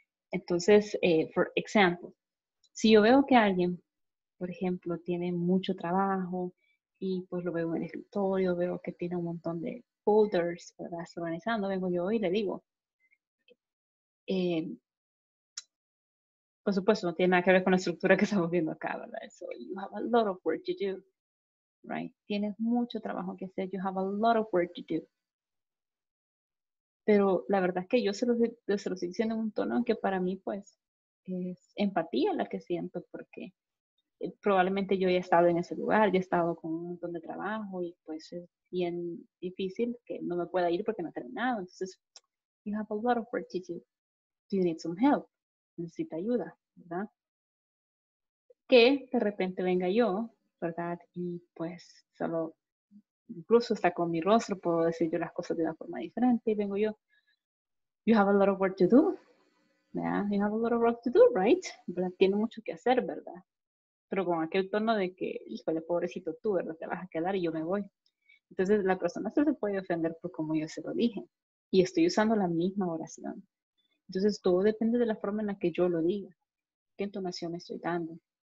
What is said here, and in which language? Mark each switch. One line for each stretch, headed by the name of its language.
Spanish: Entonces,
English: for example,
Spanish: si yo veo que alguien, por ejemplo, tiene mucho trabajo, y pues lo veo en el escritorio, veo que tiene un montón de folders, ¿verdad? Está organizando, vengo yo y le digo. Por supuesto, no tiene nada que ver con la estructura que estamos viendo acá, ¿verdad?
English: So, you have a lot of work to do, right?
Spanish: Tienes mucho trabajo que hacer,
English: you have a lot of work to do.
Spanish: Pero la verdad es que yo se los diciendo en un tono que para mí, pues, es empatía la que siento, porque probablemente yo ya he estado en ese lugar, ya he estado con un montón de trabajo y pues es bien difícil que no me pueda ir porque no he terminado. Entonces,
English: you have a lot of work to do. You need some help.
Spanish: Necesita ayuda, ¿verdad? Que de repente venga yo, ¿verdad? Y pues solo, incluso hasta con mi rostro puedo decir yo las cosas de una forma diferente y vengo yo.
English: You have a lot of work to do. Yeah, you have a lot of work to do, right?
Spanish: ¿Verdad? Tiene mucho que hacer, ¿verdad? Pero con aquel tono de que, híjole, pobrecito tú, ¿verdad? Te vas a quedar y yo me voy. Entonces, la persona se puede ofender por como yo se lo dije. Y estoy usando la misma oración. Entonces, todo depende de la forma en la que yo lo diga. ¿Qué entonación me estoy dando?